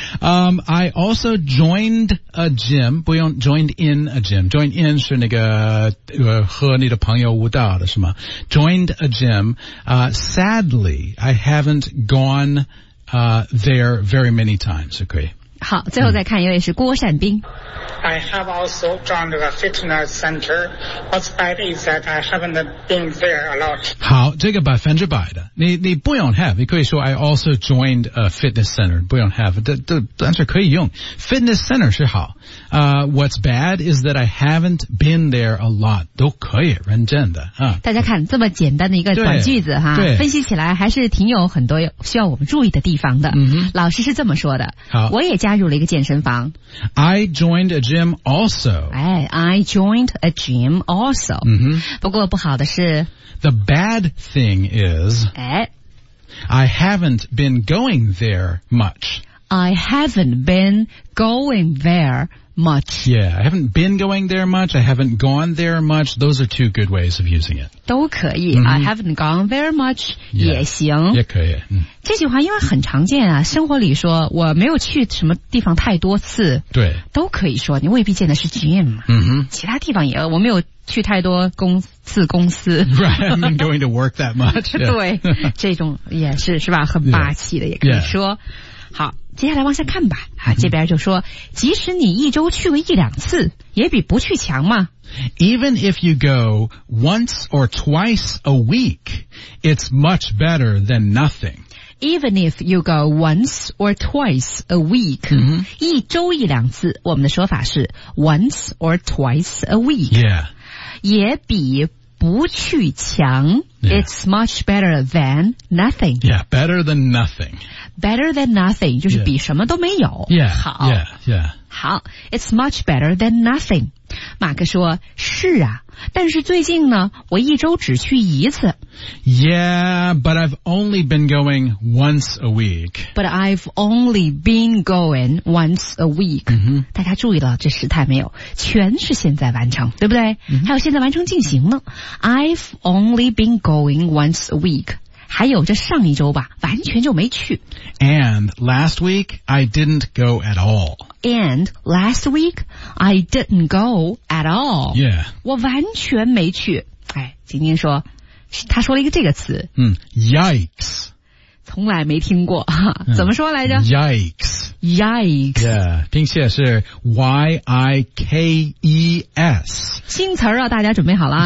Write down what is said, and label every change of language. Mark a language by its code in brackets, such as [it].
[en] I also joined a gym. [zh] 不用 [en] joined in a gym. [zh] Joined in 是那个和你的朋友舞蹈的是吗？ [en] Joined a gym. Sadly, I haven't gone there very many times. Okay. [zh] 好，最后再看一位是郭善斌。 [en] I have also joined a fitness center. What's bad is that I haven't been there a lot. [zh] 好，这个百分之百的，你不用 have， 你可以说 [en] I also joined a fitness center， [zh] 不用 have， 这但是可以用 fitness center 是好。 [en] What's bad is that I haven't been there a lot， [zh] 都可以，认真的、大家看这么简单的一个短句子哈，分析起来还是挺有很多需要我们注意的地方的。嗯、老师是这么说的，好，我也。加入了一个健身房。 [en] I joined a gym also. I joined a gym also.、 [zh] 不过不好的是 [en] The bad thing is、I haven't been going there much. I haven't been going there much. Yeah, I haven't been going there much. I haven't gone there much. Those are two good ways of using it. [zh] 都可以、 [en] I haven't gone there much、 [zh] 也行。也可以、这句话因为很常见啊，生活里说我没有去什么地方太多次，对，都可以说，你未必见的是 gym、其他地方也，我没有去太多公司。 [en] Right, I'm not going to work that much. [zh] 对，这种也是，是吧，很霸气的、也可以说。好，接下来往下看吧。啊，这边就说，即使你一周去个一两次，也比不去强嘛。 [en] Even if you go once or twice a week, it's much better than nothing. Even if you go once or twice a week,、 [zh] 一周一两次，我们的说法是 [en] once or twice a week. Yeah. [zh] 也比不去强、 [en] It's much better than nothing. Yeah, better than nothing. [zh] Better than nothing 就是比什么都没有。 [en] Yeah, [zh] 好 [en] yeah, yeah. 好 It's much better than nothing. [zh] 马克说是啊但是最近呢我一周只去一次。 [en] Yeah, but I've only been going once a week. But I've only been going once a week.、 [zh] 大家注意了这时态没有全是现在完成对不对、还有现在完成进行呢。 [en] I've only been going once a week. [zh] 还有这上一周吧完全就没去。 [en] And last week, I didn't go at all. And last week, I didn't go at all. Yeah. [zh] 我完全没去。哎今天说他说了一个这个词。 [en] Yikes. [zh] 从来没听过。怎么说来着 [en] ?Yikes. Yikes. Yeah, [zh] 拼写是 [en] Y-I-K-E-S. [zh] 新词儿啊大家准备好了。